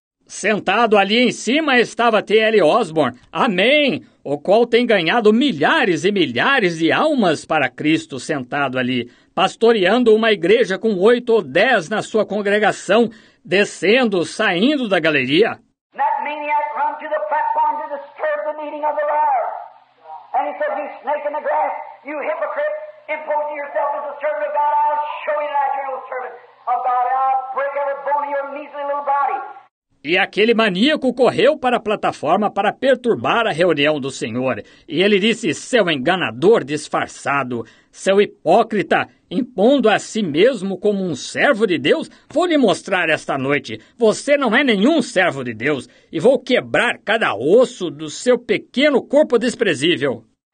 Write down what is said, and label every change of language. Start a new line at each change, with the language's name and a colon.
Portuguese: Sentado ali em cima estava T.L. Osborne, amém, o qual tem ganhado milhares e milhares de almas para Cristo sentado ali, pastoreando uma igreja com 8 ou 10 na sua congregação, descendo, saindo da galeria.
English: That maniac run to the platform to disturb the meeting of the Lord. And he said, you snake in the grass, you hypocrite, imposing yourself as a servant of God, I'll show you that you're no servant of God, I'll break every bone of your measly little body.
Portuguese: E aquele maníaco correu para a plataforma para perturbar a reunião do Senhor. E ele disse, seu enganador disfarçado, seu hipócrita, impondo a si mesmo como um servo de Deus, vou lhe mostrar esta noite, você não é nenhum servo de Deus, e vou quebrar cada osso do seu pequeno corpo desprezível.